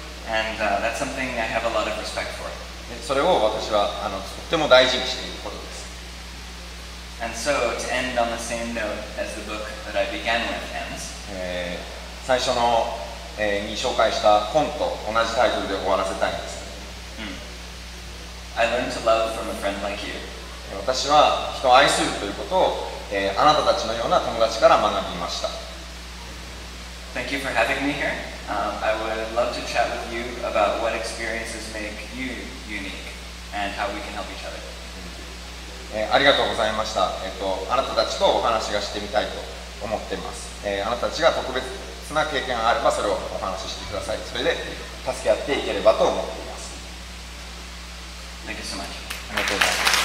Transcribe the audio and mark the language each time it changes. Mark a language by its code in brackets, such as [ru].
[en] And that's something I have a lot of respect for. [ja] それを私はとても大事にしていることです。 [en] And so to end on the same note as the book that I began with ends. [ja] 最初のに紹介した本と同じタイトルで終わらせたいんです。 [en] I learned to love from a friend like you. [ja] 私は人を愛するということを、あなたたちのような友達から学びました。 [en] Thank you for having me here. I would love to chat with you about what experiences make you unique and how we can help each other. [ja] ありがとうございました。あなたたちとお話がしてみたいと思っています。あなたたちが特別そんな経験があればそれをお話ししてください。それで助け合っていければと思っています。 [en] Thank you so much. [ja] ありがとうございます。